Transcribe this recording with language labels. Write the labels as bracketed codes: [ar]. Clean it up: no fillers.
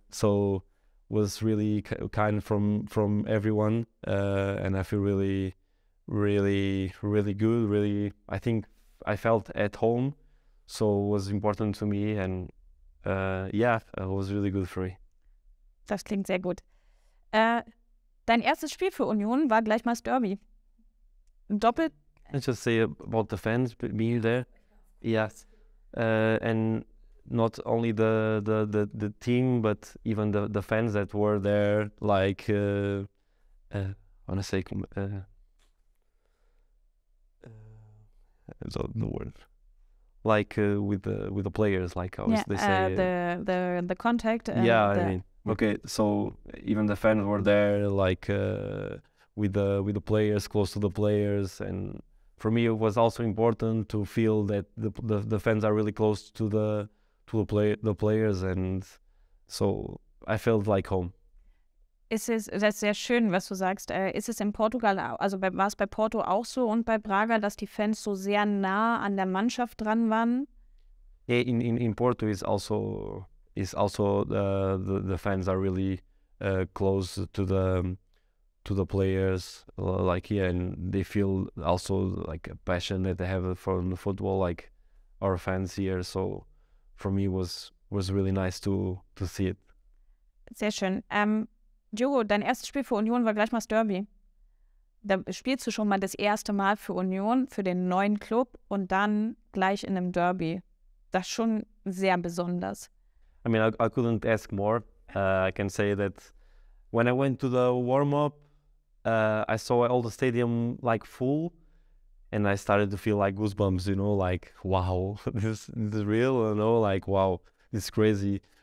[en] So was really kind from everyone, and I feel really, really, really good. Really, I think I felt at home. So it was important to me, and it was really good for me. [de] Das klingt sehr gut. Dein erstes Spiel für Union war gleich mal das Derby. Ein Doppel. [en] Let's just say about the fans being there. Yes. And not only the team, but even the fans that were there, like, with the players, like, how they say the contact. Okay, so even the fans were there, like, with the players, close to the players, and for me it was also important to feel that the fans are really close to the players, and so I felt like home. [de] Das ist sehr schön, was du sagst. Ist es in Portugal, also war es bei Porto auch so und bei Braga, dass die Fans so sehr nah an der Mannschaft dran waren? [en] Yeah, in Porto is also the fans are really close to the players, like, yeah, and they feel also like a passion that they have for the football, like our fans here. So for me was really nice to see it. [de] Sehr schön. Diogo, dein erstes Spiel für Union war gleich mal das Derby. Da spielst du schon mal das erste Mal für Union, für den neuen Club, und dann gleich in einem Derby. Das ist schon sehr besonders. [en] I mean, I couldn't ask more. I can say that when I went to the warm-up, I saw all the stadium like full, and I started to feel like goosebumps, you know, like, wow, this is real, you know, like, wow, this is crazy.